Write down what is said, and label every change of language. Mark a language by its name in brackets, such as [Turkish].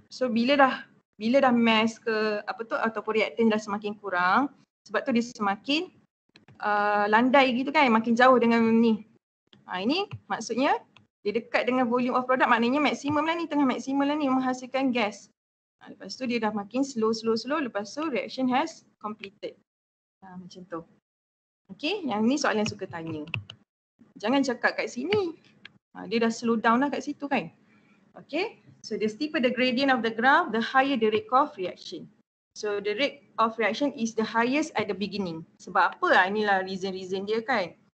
[Malay] So bila dah mass ke apa tu ataupun reactant dah semakin kurang, sebab tu dia semakin landai gitu kan, makin jauh dengan ni. Ini maksudnya dia dekat dengan volume of product, maknanya maksimum lah ni, tengah maksimum lah ni menghasilkan gas. Lepas tu dia dah makin slow, lepas tu reaction has completed. Macam tu. Okay, yang ni soalan suka tanya. Jangan cakap kat sini. Dia dah slow down lah kat situ kan. [English] Okay, so the steeper the gradient of the graph, the higher the rate of reaction. So the rate of reaction is the highest at the beginning. Sebab apa lah, inilah reason dia kan.